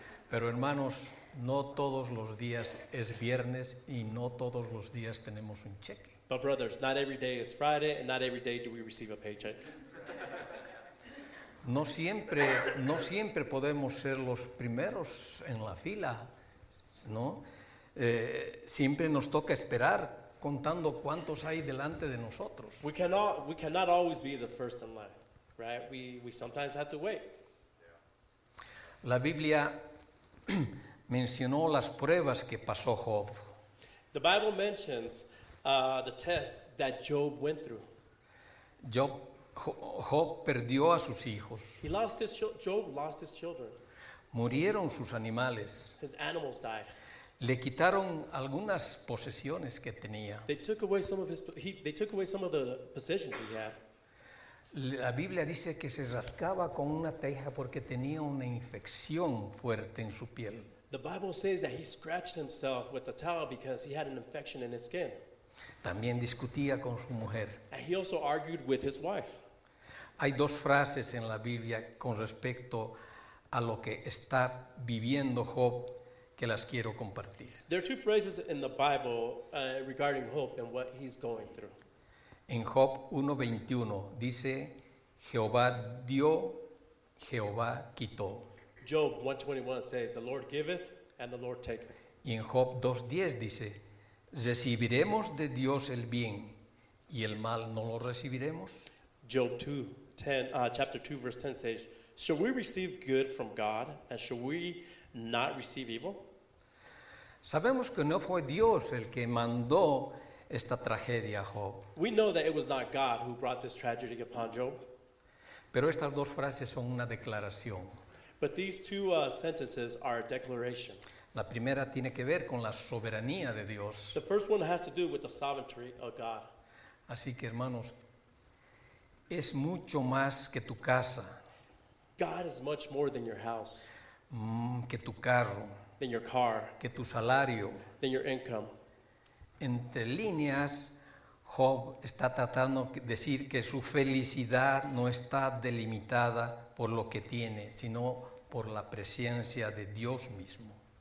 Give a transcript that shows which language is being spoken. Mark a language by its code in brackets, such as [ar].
[es] Pero hermanos, no todos los días es viernes y no todos los días tenemos un cheque. [en] But brothers, not every day is Friday and not every day do we receive a paycheck. [es] No siempre podemos ser los primeros en la fila, ¿no? Siempre nos toca esperar contando cuántos hay delante de nosotros. [en] We cannot always be the first in line, right? We sometimes have to wait. [es] La Biblia mencionó las pruebas que pasó Job. [en] The Bible mentions the test that Job went through. [es] Job perdió a sus hijos. [en] Job lost his children. [es] Murieron sus animales. [en] His animals died. [es] Le quitaron algunas posesiones que tenía. [en] They took away some of the possessions he had. [es] La Biblia dice que se rascaba con una teja porque tenía una infección fuerte en su piel. [en] The Bible says that he scratched himself with a towel because he had an infection in his skin. [es] También discutía con su mujer. [en] And he also argued with his wife. [es] Hay dos frases en la Biblia con respecto a lo que está viviendo Job que las quiero compartir. [en] There are two phrases in the Bible regarding hope and what he's going through. [es] En Job 1:21 dice, Jehová dio, Jehová quitó. [en] Job 1:21 says, the Lord giveth and the Lord taketh. [es] Y en Job 2:10 dice, recibiremos de Dios el bien y el mal no lo recibiremos. [en] Job 2:10, chapter 2, verse 10 says, shall we receive good from God and shall we not receive evil? [es] Sabemos que no fue Dios el que mandó esta tragedia a Job. [en] We know that it was not God who brought this tragedy upon Job. [es] Pero estas dos frases son una declaración. [en] But these two sentences are a declaration. [es] La primera tiene que ver con la soberanía de Dios. [en] The first one has to do with the sovereignty of God. [es] Así que hermanos, es mucho más que tu casa. [en] God is much more than your house. [es] Que tu carro. [en] Than your car. [es] Que tu salario. [en] Than your income. [es] Entre líneas, Job está tratando de decir que su felicidad no está delimitada por lo que tiene, sino por la presencia de Dios mismo.